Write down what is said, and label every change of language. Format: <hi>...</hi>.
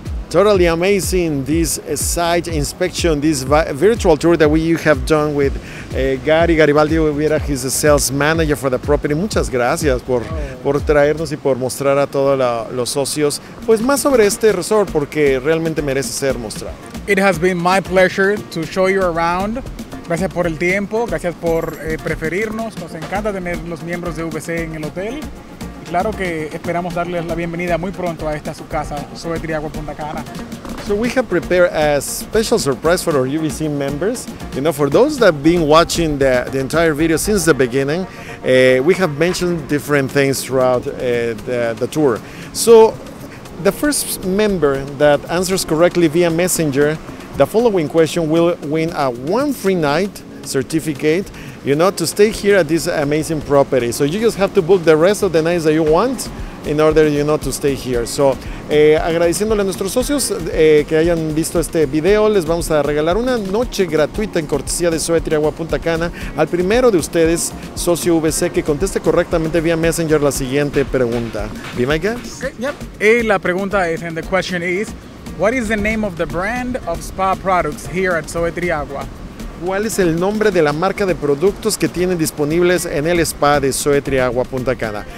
<en>Totally amazing, this site inspection, this virtual tour that you have done with Gary Garibaldi Oviera. He's the sales manager for the property.</en> <es>Muchas gracias por traernos y por mostrar a todos los socios, pues más sobre este resort, porque realmente merece ser mostrado.</es> <en>It has been my pleasure to show you around.</en> <es>Gracias por el tiempo, gracias por preferirnos. Nos encanta tener los miembros de UVC en el hotel. Claro que esperamos darles la bienvenida muy pronto a esta su casa, Zoetry Agua Punta Cana.</es> <en>So we have prepared a special surprise for our UVC members. You know, for those that have been watching the entire video since the beginning, We have mentioned different things throughout the tour. So the first member that answers correctly via messenger the following question will win a one free night certificate, you know, to stay here at this amazing property. So you just have to book the rest of the nights that you want in order, you know, to stay here.</en> <es>So, agradeciéndole a nuestros socios que hayan visto este video, les vamos a regalar una noche gratuita en cortesía de Suetria Agua Punta Cana al primero de ustedes, socio UVC, que conteste correctamente vía Messenger la siguiente pregunta.</es> <en>Be my guest. Okay, yep.</en> <es>Y la pregunta es,</es> <en>and the question is, what is the name of the brand of spa products here at Suetria Agua?</en> <es>¿Cuál es el nombre de la marca de productos que tienen disponibles en el spa de Suetria Agua Punta Cana?</es>